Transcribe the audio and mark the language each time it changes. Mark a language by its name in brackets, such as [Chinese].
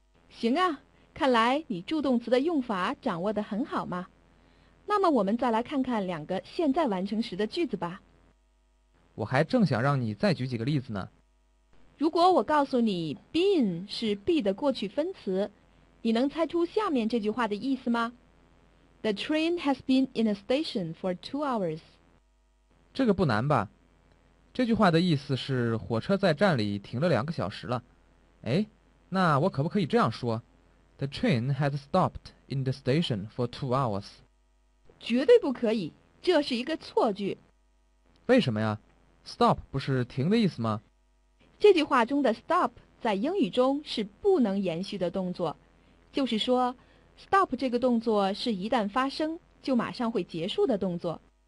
[Chinese] 行啊，看来你助动词的用法掌握得很好嘛。那么我们再来看看两个现在完成时的句子吧。我还正想让你再举几个例子呢。如果我告诉你 been 是 be 的过去分词，你能猜出下面这句话的意思吗？ [English] The train has been in a station for 2 hours. [Chinese] 这个不难吧？这句话的意思是火车在站里停了2个小时了。哎，那我可不可以这样说？ [English] The train has stopped in the station for 2 hours. [Chinese] 绝对不可以，这是一个错句。为什么呀？Stop 不是停的意思吗？这句话中的 stop 在英语中是不能延续的动作，就是说 stop 这个动作是一旦发生就马上会结束的动作。